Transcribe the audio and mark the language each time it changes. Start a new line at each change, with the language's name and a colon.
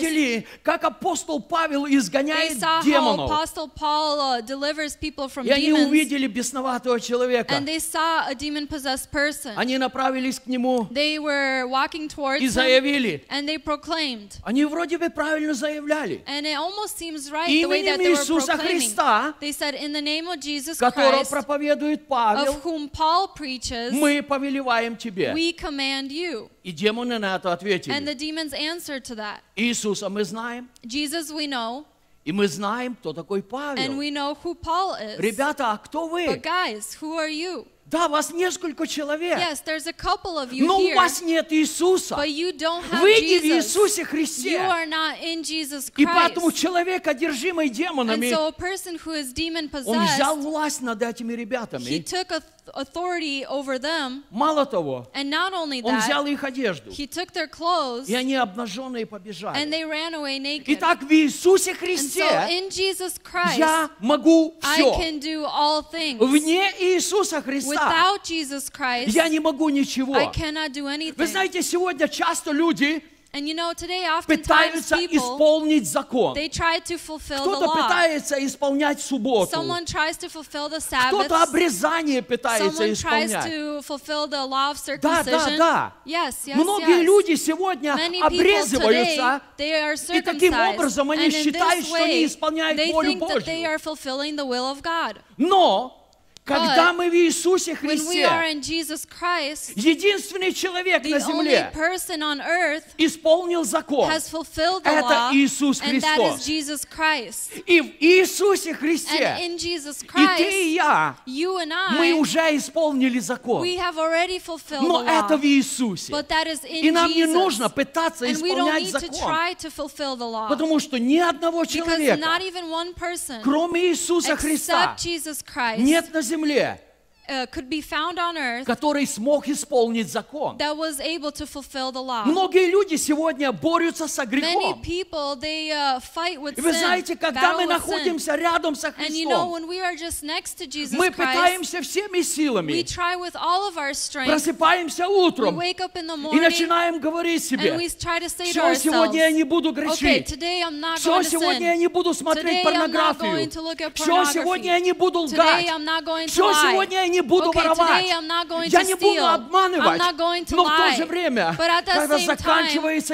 Russian: Видели, как апостол Павел изгоняет
English: they saw
Russian: демонов.
English: How Apostle Paul, delivers people from
Russian: И
English: demons.
Russian: Они увидели бесноватого человека.
English: And they saw a demon-possessed person.
Russian: Они направились к нему
English: they were walking towards
Russian: и заявили,
English: him, and they proclaimed
Russian: Они вроде бы правильно заявляли.
English: And it almost seems right the way that they were proclaiming. They said, in the name of Jesus Christ, of whom Paul preaches, we command you.
Russian: И демоны на это ответили.
English: And the demons answered to that.
Russian: Иисуса мы знаем.
English: Jesus we know.
Russian: И мы знаем, кто такой Павел.
English: And we know who Paul is.
Russian: Ребята, а кто вы?
English: But guys, who are you?
Russian: Да, вас несколько человек.
English: Yes, there's a couple of you
Russian: Но
English: here.
Russian: Но у вас нет Иисуса.
English: But you don't have
Russian: Вы
English: Jesus.
Russian: Вы не в Иисусе Христе.
English: You are not in Jesus Christ.
Russian: И поэтому человек, одержимый демонами,
English: And so a person who is demon possessed,
Russian: он взял власть над этими ребятами.
English: He took authority over them.
Russian: Мало того,
English: And not only that,
Russian: он взял их одежду.
English: He took their clothes.
Russian: И они обнаженные побежали.
English: And they ran away naked.
Russian: Итак, в Иисусе Христе
English: And so in Jesus Christ,
Russian: я могу все.
English: I can do all things.
Russian: Вне Иисуса Христа.
English: Without Jesus Christ,
Russian: я не могу ничего.
English: I cannot do anything.
Russian: Вы знаете, сегодня часто люди
English: And you know, today,
Russian: пытаются
English: people,
Russian: исполнить закон.
English: They try to fulfill
Russian: Кто-то
English: the law.
Russian: Пытается исполнять субботу.
English: Someone tries to fulfill the Sabbath.
Russian: Кто-то обрезание пытается
English: Someone
Russian: исполнять.
English: Tries to fulfill the law of circumcision.
Russian: Да, да, да.
English: Yes, yes,
Russian: Многие
English: yes.
Russian: люди сегодня
English: Many
Russian: обрезываются,
English: today, they are circumcised,
Russian: и таким образом они
English: and in
Russian: считают,
English: this way,
Russian: что они исполняют
English: they
Russian: волю
English: think
Russian: Божью.
English: That they are fulfilling the will of God.
Russian: Но... Когда мы в Иисусе Христе,
English: Christ,
Russian: единственный человек на земле исполнил закон, это Иисус Христос. И в Иисусе Христе,
English: Christ,
Russian: и ты и я,
English: I,
Russian: мы уже исполнили закон. Но
English: law,
Russian: это в Иисусе. И нам
English: Jesus.
Russian: Не нужно пытаться исполнять закон, потому что ни одного человека,
English: person,
Russian: кроме Иисуса Христа,
English: Christ,
Russian: нет на земле,
English: could be found on earth
Russian: который смог исполнить закон.
English: That was able to fulfill the law.
Russian: Многие люди сегодня борются со грехом.
English: Many people, they fight with
Russian: И вы знаете,
English: sin,
Russian: когда мы находимся
English: sin.
Russian: Рядом со Христом,
English: And you know, when we are just next to Jesus
Russian: мы
English: Christ,
Russian: пытаемся всеми силами,
English: we try with all of our strength,
Russian: просыпаемся утром
English: we wake up in the morning,
Russian: и начинаем говорить себе,
English: and we try to say
Russian: все, сегодня я не буду грешить,
English: okay, today I'm not
Russian: все, сегодня
English: sin.
Russian: Я не буду смотреть
English: today
Russian: порнографию,
English: I'm not going to look at
Russian: все, сегодня я не буду лгать,
English: today I'm not going to
Russian: все,
English: lie.
Russian: Сегодня я не буду
English: okay,
Russian: воровать.
English: I'm not going
Russian: я
English: to
Russian: не
English: steal.
Russian: Буду обманывать.
English: I'm not going to
Russian: Но
English: lie.
Russian: В то же время, когда заканчивается